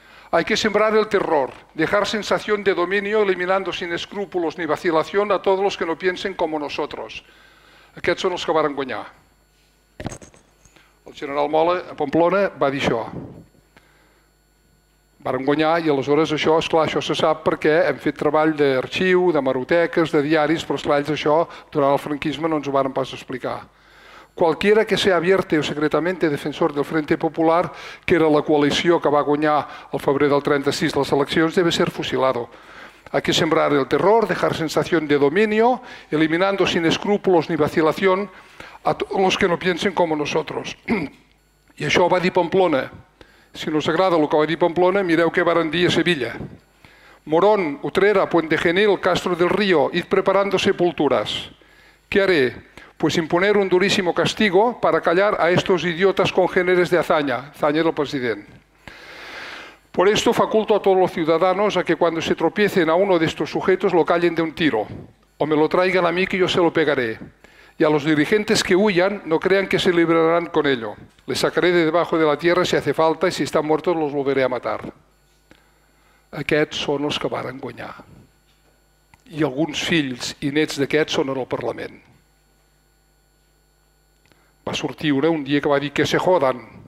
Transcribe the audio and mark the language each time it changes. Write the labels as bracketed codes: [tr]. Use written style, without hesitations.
[es] Hay que sembrar el terror, dejar sensación de dominio, eliminando sin escrúpulos ni vacilación a todos los que no piensen como nosotros. [ca] Aquests són els que varen guanyar. El general Mola, a Pamplona, va dir això. Varen guanyar i aleshores això, esclar, això se sap perquè hem fet treball d'arxiu, de maroteques, de diaris, però esclar, ells això durant el franquisme no ens ho varen pas explicar. [es] Qualquiera que sea abierto o secretamente defensor del Frente Popular, [ca] que era la coalició que va guanyar el febrer del 36 les eleccions, [es] debe ser fusilado. Hay que sembrar el terror, dejar sensación de dominio, eliminando sin escrúpulos ni vacilación a todos los que no piensen como nosotros. [ca] I això va dir Pamplona. Si no us agrada el que va dir Pamplona, mireu què varen dir a Sevilla. [es] Morón, Utrera, Puente Genil, Castro del Río, id preparando sepulturas. ¿Qué haré? Pues imponer un durísimo castigo para callar a estos idiotas congéneres de hazaña. Hazaña del presidente. Por esto faculto a todos los ciudadanos a que cuando se tropiecen a uno de estos sujetos lo callen de un tiro, o me lo traigan a mí que yo se lo pegaré. Y a los dirigentes que huyan, no crean que se librarán con ello. Les sacaré de debajo de la tierra si hace falta y si están muertos los volveré a matar. [ca] Aquests són els que varen guanyar. I alguns fills i nets d'aquests són en el Parlament. Va sortir un dia que va dir que [es] se jodan.